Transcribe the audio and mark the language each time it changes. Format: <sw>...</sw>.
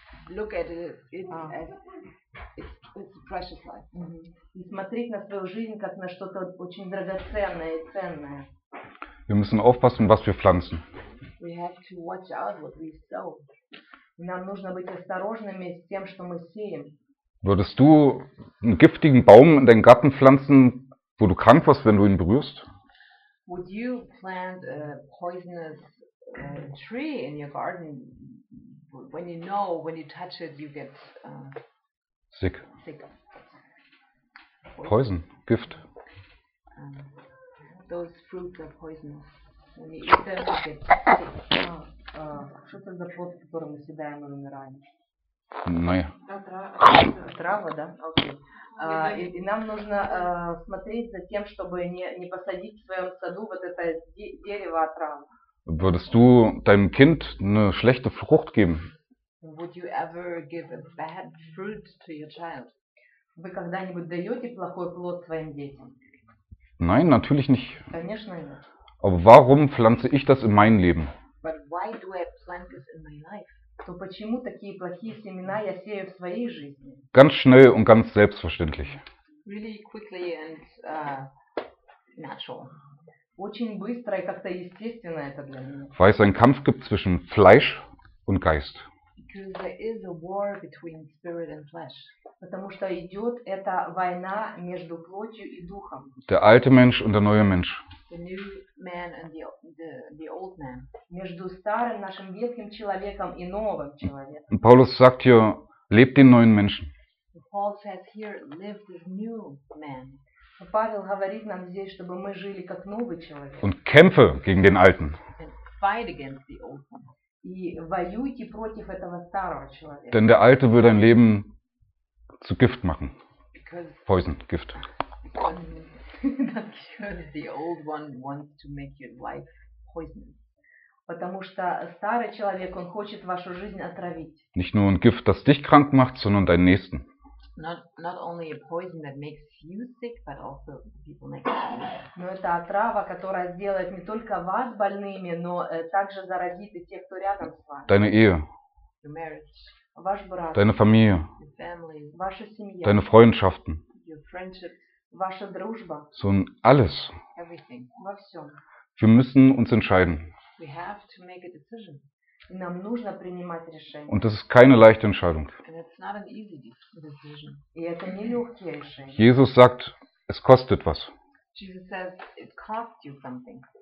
<en>Look at it as it's a precious life.</en> <ru>Mm-hmm. И смотреть на свою жизнь как на что-то очень драгоценное и ценное.</ru> <de>Wir müssen aufpassen, was wir pflanzen.</de> <en>We have to watch out what we sow.</en> <ru>Нам нужно быть осторожными с тем, что мы сеем.</ru> <de>Würdest du einen giftigen Baum in deinen Garten pflanzen, wo du krank wirst, wenn du ihn berührst?</de> <en>Would you plant a poisonous tree in your garden when you know, when you touch it, you get sick? Sick. Poison, Gift. Those fruits are poisonous. When you eat them, you get sick.</en> <ru>Что это за плод, который мы съедаем и умираем? Моя. Трава, да? Окей. И нам нужно смотреть за тем, чтобы не посадить в своем саду вот это дерево отравы.</ru> <de>Würdest du deinem Kind eine schlechte Frucht geben?</de> <en>Would you ever give a bad fruit to your child?</en> <ru>Вы когда-нибудь даете плохой плод своим детям?</ru> <de>Nein, natürlich nicht.</de> <ru>Конечно нет.</ru> <de>Aber warum pflanze ich das in mein Leben?</de> <en>But why do I plant this in my life?</en> <ru>То почему такие плохие семена я сею в своей жизни?</ru> <de>Ganz schnell und ganz selbstverständlich.</de> <en>Really quickly and natural.</en> <ru>Очень быстро и как-то естественно это для меня.</ru> <de>Weil es einen Kampf gibt zwischen Fleisch und Geist.</de> <en>Because there is a war between spirit and flesh.</en> <ru>Потому что идет эта война между плотью и духом.</ru> <de>Der alte Mensch und der neue Mensch.</de> <en>The new man and the old man.</en> <ru>Между старым нашим ветхим человеком и новым человеком.</ru> <de>Paulus sagt hier, lebt den neuen Menschen.</de> <en>Paul says here, live the new man.</en> <ru>Павел говорит нам здесь, чтобы мы жили как новый человек.</ru> <de>Und kämpfe gegen den alten.</de> <en>And fight against the old one.</en> <ru>И воюйте против этого старого человека.</ru> <de>Denn der alte will dein Leben zu Gift machen.</de> <en>Because Poison, Gift. The old one wants to make your life poisonous.</en> <ru>Потому что старый человек, он хочет вашу жизнь отравить.</ru> <de>Nicht nur ein Gift, das dich krank macht, sondern deinen Nächsten.</de> <en>Not only a poison that makes you sick, but also people next to you.</en> <ru>Но это отрава, которая сделает не только вас больными, но также заразит и тех, кто рядом с вами.</ru> <de>Deine Ehe.</de> <en>Your marriage.</en> <ru>Ваш брак.</ru> <de>Deine Familie.</de> <en>Your family.</en> <ru>Ваша семья.</ru> <de>Deine Freundschaften.</de> <en>Your friendships.</en> <ru>Ваша дружба.</ru> <de>So alles.</de> <en>Everything.</en> <ru>Во всем.</ru> <de>Wir müssen uns entscheiden.</de> <en>We have to make a decision.</en> <ru>И нам нужно принимать решение.</ru> <de>Und das ist keine leichte Entscheidung.</de> <en>And it's not an easy decision.</en> <ru>И это не легкое решение.</ru> <de>Jesus sagt, es kostet was.</de> <en>Jesus says, it costs you something.</en>